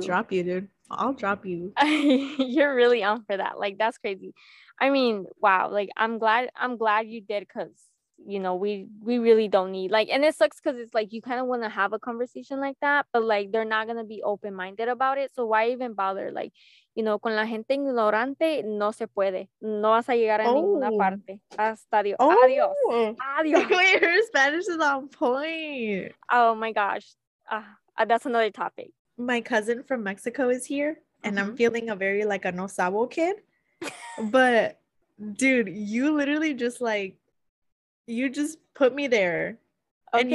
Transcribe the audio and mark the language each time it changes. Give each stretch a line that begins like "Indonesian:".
English: I'll drop you, dude. I'll drop you. You're really on for that. Like, that's crazy. I mean, wow. Like, I'm glad you did, because you know, we really don't need, like, and it sucks because it's like you kind of want to have a conversation like that, but like they're not going to be open-minded about it, so why even bother? Like, you know,
Spanish: con la gente ignorante no se puede, no vas a llegar a ninguna parte. Hasta adiós.
English: Wait, her Spanish is on point. Oh my gosh, that's another topic. My cousin from Mexico is here, and I'm feeling a very like a no sabo kid. But dude, you literally just like, you just put me there. Okay.